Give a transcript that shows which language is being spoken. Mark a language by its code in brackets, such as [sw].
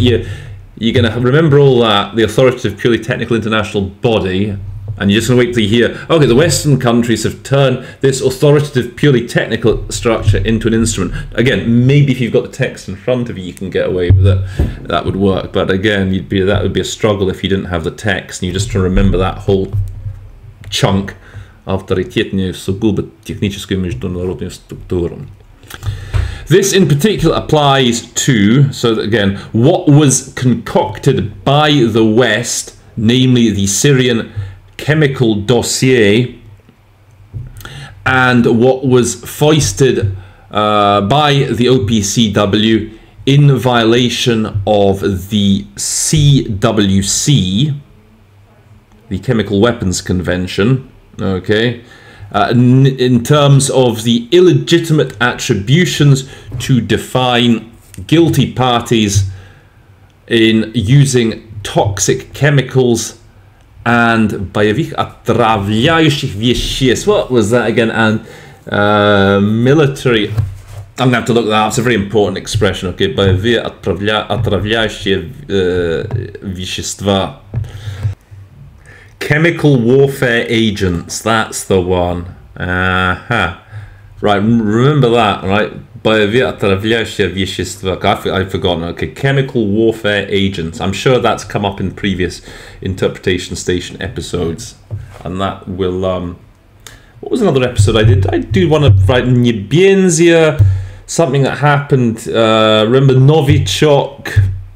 [en] You're going to remember all that, the authoritative, purely technical international body, and you're just going to wait till you hear, okay, the Western countries have turned this authoritative, purely technical structure into an instrument. Again, maybe if you've got the text in front of you, you can get away with it. That would work. But again, that would be a struggle if you didn't have the text, and you just try to remember that whole chunk. [ru] Авторитетную сугубо техническую международную структуру. [en] This in particular applies to, so again, what was concocted by the West, namely the Syrian chemical dossier, and what was foisted by the OPCW in violation of the CWC, the Chemical Weapons Convention, okay, in terms of the illegitimate attributions to define guilty parties in using toxic chemicals and [ru] боевых отравляющих веществ. [en] What was that again? And military. I'm going to have to look that up. It's a very important expression. [ru] Okay, боевые отравляющие вещества. [en] Chemical warfare agents, that's the one. Uh-huh. Right, remember that, right? [ru] Боевые отравляющие вещества. [en] I've forgotten. Okay, chemical warfare agents. I'm sure that's come up in previous Interpretation Station episodes. And that will... what was another episode I did? I do one of, right, Nebenzia, something that happened. Remember Novichok?